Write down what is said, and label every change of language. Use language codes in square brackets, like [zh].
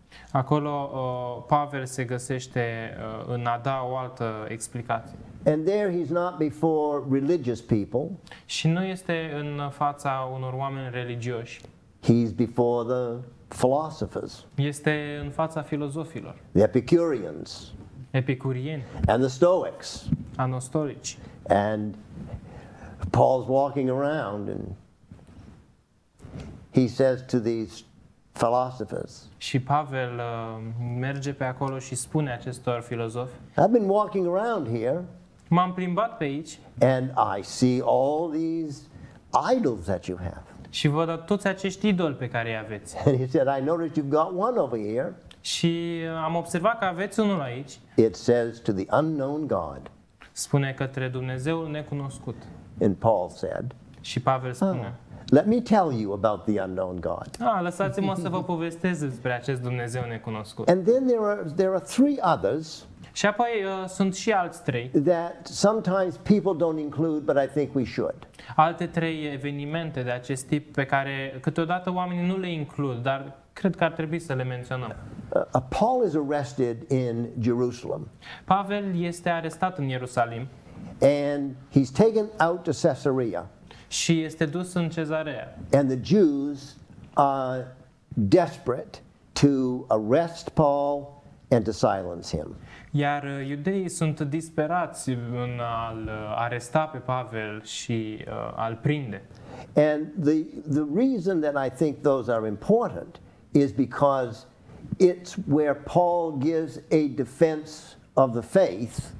[ro] Acolo Pavel se găsește în a da o altă explicație. [en] And there he's not before religious people. [ro] Și nu este în fața unor oameni religioși. [en] He's before the philosophers. [ro] Este în fața filozofilor. [en] The Epicureans. [ro] Epicurieni. [en] And the Stoics. [ro] Anostoici. [en] And Paul's walking around and he says to these philosophers. [ro] Și Pavel merge pe acolo și spune acestor filozofi. [en] I've been walking around here. [ro] M-am plimbat pe aici. [en] And I see all these idols that you have. [ro] Și văd toți acești idoli pe care îi aveți. [en] And he said, I noticed you've got one over here. [ro] Și am observat că aveți unul aici. [en] It says to the unknown God. [ro] Spune către Dumnezeul necunoscut. [en] And Paul said. [ro] Și Pavel spune. [en] Let me tell you about the unknown God. [ro] Lăsați-mă să vă povestesc despre acest Dumnezeu necunoscut. [en] And then there are three others. [ro] Și apoi sunt și alți trei. [en] That sometimes people don't include, but I think we should. [ro] Alte trei evenimente de acest tip pe care câteodată oamenii nu le includ, dar cred că ar trebui să le menționăm. [en] Paul is arrested in Jerusalem. [ro] Pavel este arestat în Ierusalim. [en] And he's taken out to Caesarea. [ro] Și este dus în Cezarea. [en] And the Jews are desperate to arrest Paul and to silence him. [ro] Iar iudeii sunt disperați în a-l aresta pe Pavel și a-l prinde. [en] And the reason that I think those are important is because it's where Paul gives a defense of the faith.